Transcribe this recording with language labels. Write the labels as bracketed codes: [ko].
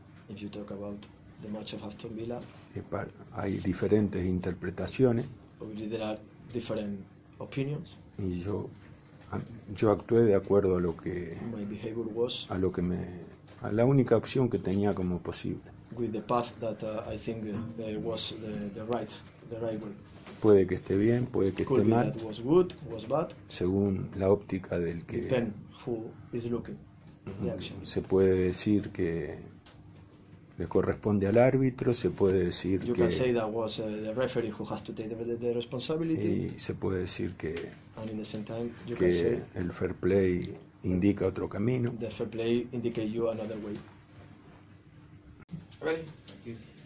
[en] If you talk about the match of Aston Villa. [es] Hay diferentes interpretaciones. [en] Obviously, there are different opinions. [es] Y yo actué de acuerdo a lo que. [en] My behavior was. [es] A lo que me. A la única opción que tenía como posible. [en] With the path that I think was the right way. [es] Puede que esté bien, puede que [en] could [es] esté mal. [en] Was good, was bad. [es] Según la óptica del que. [en] Depend who is looking. [es] Se puede decir que le corresponde al árbitro, se puede decir [en] you [es] que. [en] You can say that was the referee who has to take the responsibility. [es] Y se puede decir que. [en] And in the same time, you [es] que [en] can say [es] el fair play indica otro camino. [en] The fair play indicate you another way. Ready? Thank you.